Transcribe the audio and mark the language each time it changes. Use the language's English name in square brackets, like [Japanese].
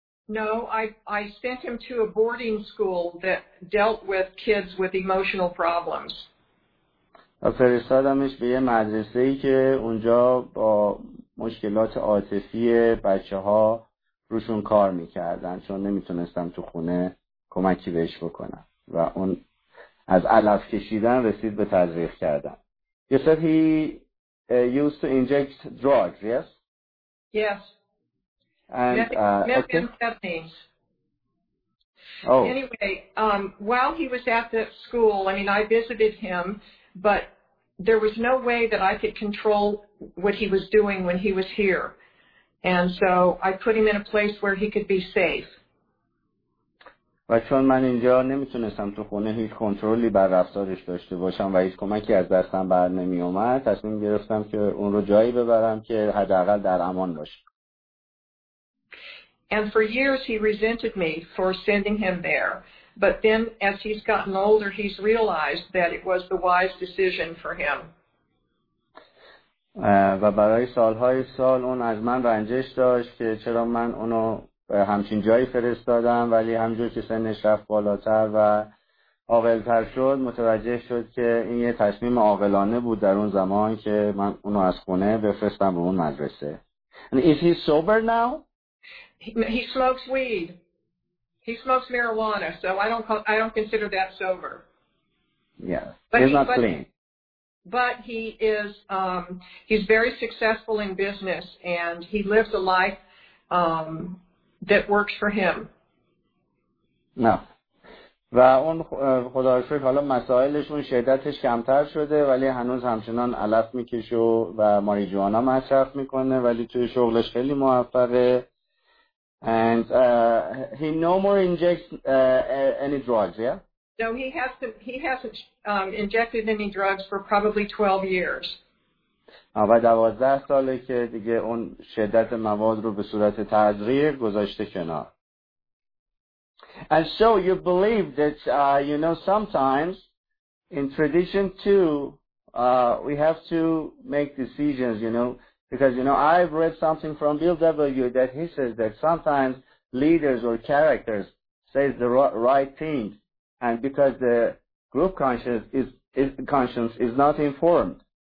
[English] No, I sent him to a boarding school that dealt with kids with emotional problems. [Persian] و فرستادمش به یه مدرسه‌ای که اونجا با مشکلات عاطفی بچه‌ها روشون کار می‌کردن، چون نمیتونستم تو خونه کمکی بهش بکنم و اون از علف کشیدن رسید به تزریق کردن. [English] You said he used to inject drugs, yes? Yes. And methamphetamine. Oh. Anyway, while he was at the school, I mean, I visited him, but there was no way that I could control what he was doing when he was here. And so I put him in a place where he could be safe. [Persian] و چون من اینجا نمیتونستم تو خونه هیچ کنترلی بر رفتارش داشته باشم و هیچ کمکی از دستم بر نمی اومد، تصمیم گرفتم که اون رو جایی ببرم که حداقل در امان باشه. [English] And for years he resented me for sending him there. But then as he's gotten older, he's realized that it was the wise decision for him. [Persian] و برای سالهای سال اون از من رنجش داشت که چرا من اونو همچین جایی فرستادم، ولی همجور که سنش رفت بالاتر و عاقل‌تر شد، متوجه شد که این یه تصمیم عاقلانه بود در اون زمان که من اونو از خونه بفرستم به اون مدرسه. [English] And is he sober now? He smokes weed. He smokes marijuana, so I don't consider that sober. Yeah, he's not clean. But he is he's very successful in business, and he lives a life that works for him. No. [Persian] و اون خدا رو شکر حالا مسائلش اون شدتش کمتر شده، ولی هنوز همچنان علف میکشه و ماریجوانا مصرف میکنه، ولی توی شغلش خیلی موفقه. [English] And he no more injects any drugs, yeah? No, he hasn't injected any drugs for probably 12 years. [Persian] و 12 ساله که دیگه اون شدت مواد رو به صورت تزریق گذاشته کنار. [English] And so you believe that, you know, sometimes in tradition too, we have to make decisions, you know, because, you know, I've read something from Bill W. that he says that sometimes leaders or characters say the right things, and because the group conscience is not informed.